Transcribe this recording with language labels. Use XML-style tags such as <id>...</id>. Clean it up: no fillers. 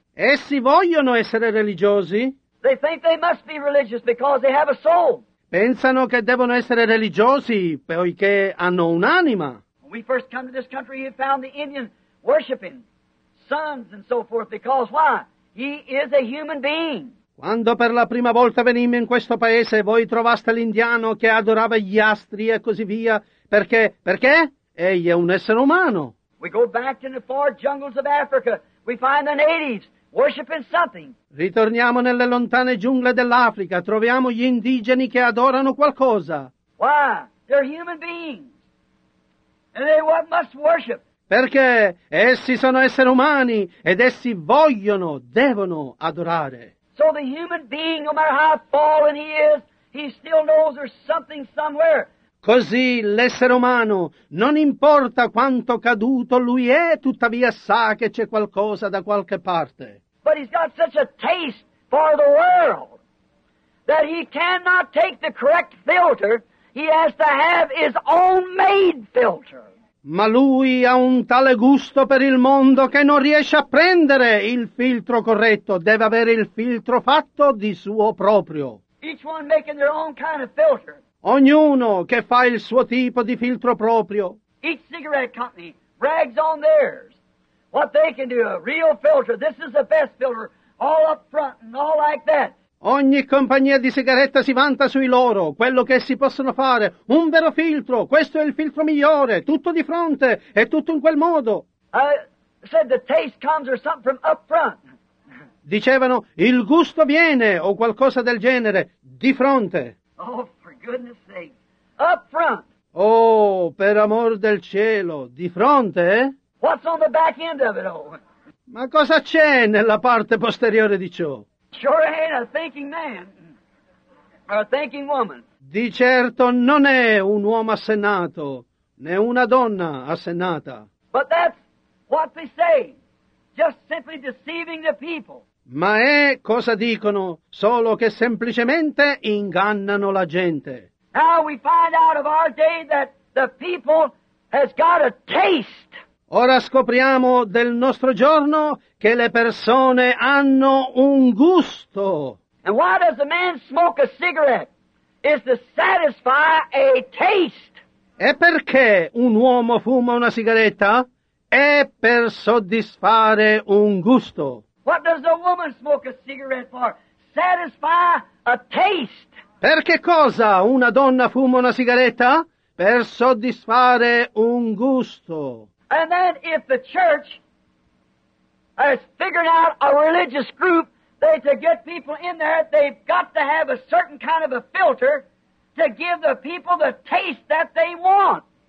<it>Essi vogliono essere religiosi.</it> <en>They think they must be religious because they have a soul.</en> <it>Pensano che devono essere religiosi poiché hanno un'anima.</it> <en>When we first come to this country, he found the Indian worshiping suns and so forth, because why? He is a human being.</en> <it>Quando per la prima volta venimmo in questo paese, voi trovaste l'indiano che adorava gli astri e così via, perché? Perché? Egli è un essere umano.</it> <en>We go back in the far jungles of Africa, we find the natives worshiping something.</en> <it>Ritorniamo nelle lontane giungle dell'Africa, troviamo gli indigeni che adorano qualcosa.</it> <en>Why? They're human beings. And they what must worship.</en> <it>Perché essi sono esseri umani ed essi vogliono, devono adorare.</it> <en>So the human being, no matter how fallen he still knows there's something somewhere.</en> <it>Così l'essere umano, non importa quanto caduto lui è, tuttavia sa che c'è qualcosa da qualche parte.</it> <en>But he's got such a taste for the world that he cannot take the correct filter. He has to have his own made filter.</en> <it>Ma lui ha un tale gusto per il mondo che non riesce a prendere il filtro corretto. Deve avere il filtro fatto di suo proprio.</it> <en>Each one making their own kind of filter.</en> <it>Ognuno che fa il suo tipo di filtro proprio.</it> <en>Each cigarette company brags on theirs. What they can do, a real filter, this is the best filter, all up front and all like that.</en> <it>Ogni compagnia di sigaretta si vanta sui loro, quello che essi possono fare, un vero filtro, questo è il filtro migliore, tutto di fronte, è tutto in quel modo.</it> <en>Said the taste comes or something from up front.</en> <it>Dicevano, il gusto viene, o qualcosa del genere, di fronte.</it> <en>Oh, for goodness sake, up front.</en> <it>Oh, per amor del cielo, di fronte, eh?</it> <en>What's on the back end of it all?</en> <it>Ma cosa c'è nella parte posteriore di ciò?</it> <en>Sure ain't a thinking man or a thinking woman.</en> <it>Di certo non è un uomo assennato, né una donna assennata.</it> <en>But that's what they say, just simply deceiving the people.</en> <it>Ma è cosa dicono, solo che semplicemente ingannano la gente.</it> <en>Now we find out of our day that the people has got a taste.</en> <it>Ora scopriamo del nostro giorno che le persone hanno un gusto.</it> <en>And why does a man smoke a cigarette? It's to satisfy a taste.</en> <it>E perché un uomo fuma una sigaretta? È per soddisfare un gusto.</it> <en>What does a woman smoke a cigarette for? Satisfy a taste.</en> <it>Per che cosa una donna fuma una sigaretta? Per soddisfare un gusto.</it> <en>And then if the church has figured out a religious group that to get people in there, they've got to have a certain kind of a filter to give the people the taste that they want.</en>